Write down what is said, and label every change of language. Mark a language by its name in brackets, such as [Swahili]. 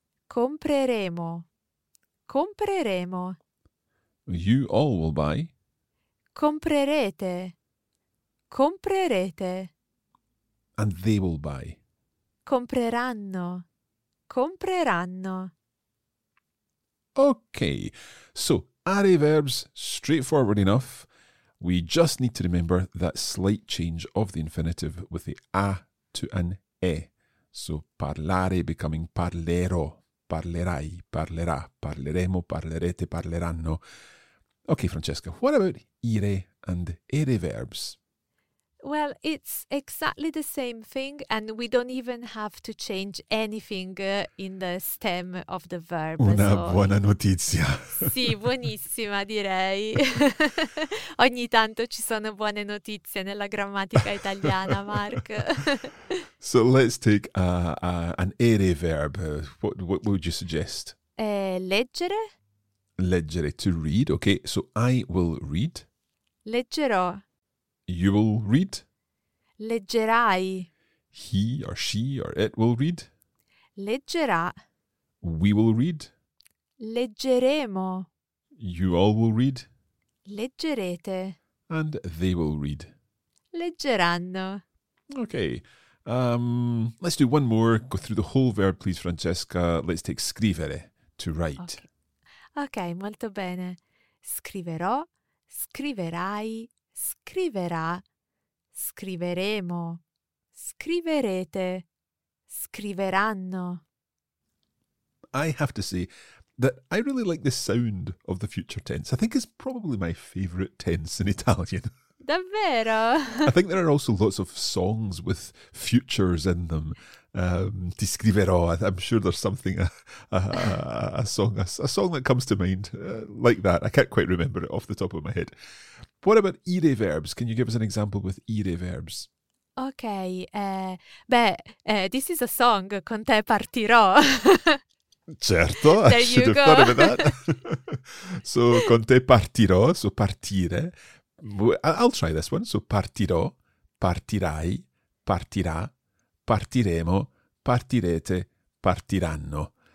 [Italian] Compreremo, compreremo. [English] You all will buy? [Italian] Comprerete, comprerete. [English] And they will buy? [Italian] Compreranno, compreranno. [English] Okay, so are verbs, straightforward enough. We just need to remember that slight change of the infinitive with the a to an e. So parlare becoming [Italian] parlerò, parlerai, parlerà, parleremo, parlerete, parleranno. [English] Okay, Francesca, what about ire and ere verbs? Well, it's exactly the same thing, and we don't even have to change anything in the stem of the verb. [Italian] Una buona notizia. Sì, buonissima, direi. Ogni tanto ci sono buone notizie nella grammatica italiana, Mark. [English] So let's take an ere verb. What would you suggest? [Italian] Leggere. [English] Leggere, to read. Okay, so I will read. [Italian] Leggerò. [English] You will read. [Italian] Leggerai. [English] He or she or it will read. [Italian] Leggerà. [English] We will read. [Italian] Leggeremo. [English] You all will read. [Italian] Leggerete. [English] And they will read. [Italian] Leggeranno. [English] Okay. Let's do one more. Go through the whole verb, please, Francesca. Let's take scrivere, to write. [Italian] Okay. Okay, molto bene. Scriverò, scriverai. Scriverà, scriveremo, scriverete, scriveranno. [English] I have to say that I really like the sound of the future tense. I think it's probably my favourite tense in Italian. [Italian] Davvero? [English] I think there are also lots of songs with futures in them. [Italian] Ti scriverò, [English] I'm sure there's something, a song that comes to mind like that. I can't quite remember it off the top of my head. What about ire verbs? Can you give us an example with ire verbs? Okay. This is a song. [Italian] Con te partirò. [English] Certo, I should have thought about that. [Italian] So, con te partirò. So, partire. [English] I'll try this one. [Italian] So, partirò, partirai, partirà, partiremo, partirete, partiranno.